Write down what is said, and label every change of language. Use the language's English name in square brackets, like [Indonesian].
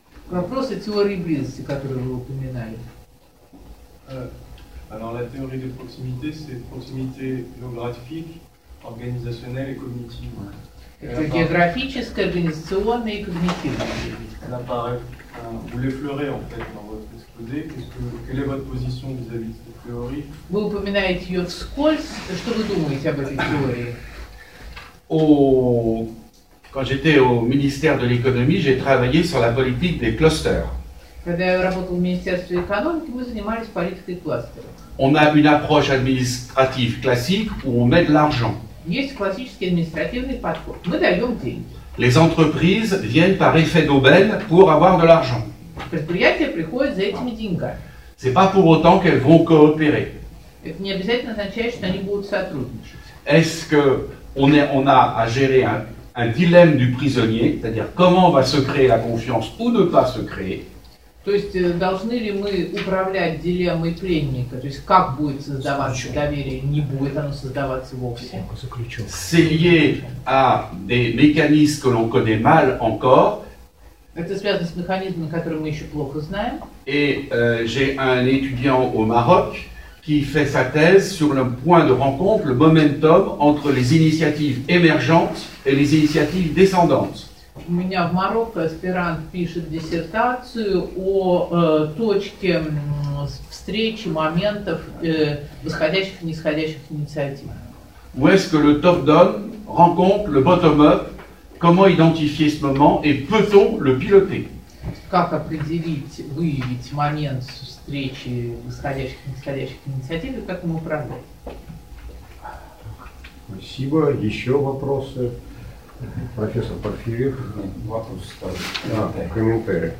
[Russian] Вопрос о теории близости, которую вы упоминали. [French] Alors la théorie des proximités, c'est proximité géographique, organisationnelle et cognitive. [Russian] Это географическая, организационная и когнитивная. [French] Elle apparaît, vous l'effleurez en fait dans votre exposé. Quelle est votre position vis-à-vis de cette théorie? Vous [Russian] упоминаете ее вскользь. Что вы думаете об этой теории? [French] Quand j'étais au ministère de l'économie, j'ai travaillé sur la politique des clusters. [Russian] Когда я работал в министерстве экономики, мы занимались политикой кластеров. [French] On a une approche administrative classique où on met de l'argent. [Russian] Есть классический административный подход. Мы даем деньги. [French] Les entreprises viennent par effet d'aubaine pour avoir de l'argent. [Russian] Предприятия приходят за этими деньгами. [French] C'est pas pour autant qu'elles vont coopérer. [Russian] Это не обязательно означает, что они будут сотрудничать. [French] Est-ce que on a à gérer un dilemme du prisonnier, c'est-à-dire comment va se créer la confiance ou ne pas se créer? [Russian] То есть должны ли мы управлять дилеммой пленника, то есть как будет создаваться доверие, не будет оно создаваться вовсе? [French] C'est lié à des mécanismes que l'on connaît mal encore. [Russian] Это связано с механизмами, которые мы еще плохо знаем. [French] Et j'ai un étudiant au Maroc qui fait sa thèse sur le point de rencontre, le momentum entre les initiatives émergentes et les initiatives descendantes. [Russian] У меня в Марокко аспирант пишет диссертацию о точке встречи моментов восходящих и нисходящих инициатив. [French] Où est-ce que le top-down rencontre le bottom-up? Comment identifier ce moment et peut-on le piloter? [Russian] как определить, выявить момент встречи восходящих и нисходящих инициатив, и как ему управлять? Спасибо. Еще вопросы? Профессор Порфирьев. Вопрос ставит. Комментарий.